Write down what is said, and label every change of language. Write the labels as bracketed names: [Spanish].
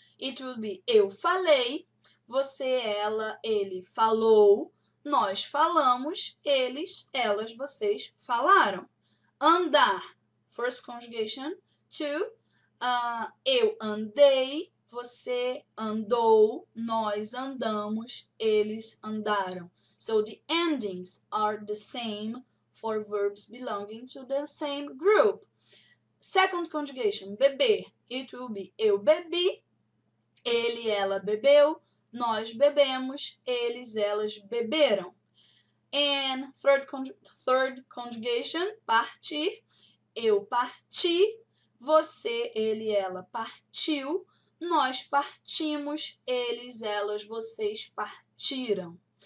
[English] It will be [Portuguese] eu falei, você, ela, ele falou, nós falamos, eles, elas, vocês falaram. Andar, [English] first conjugation, to. [Portuguese] Eu andei, você andou, nós andamos, eles andaram. [English] So, the endings are the same for verbs belonging to the same group. Second conjugation, beber. It will be [Portuguese] eu bebi, ele, ela bebeu, nós bebemos, eles, elas beberam. [English] And third conjugation, partir. [Portuguese] Eu parti. Você, ele, ela partiu, nós partimos, eles, elas, vocês partiram.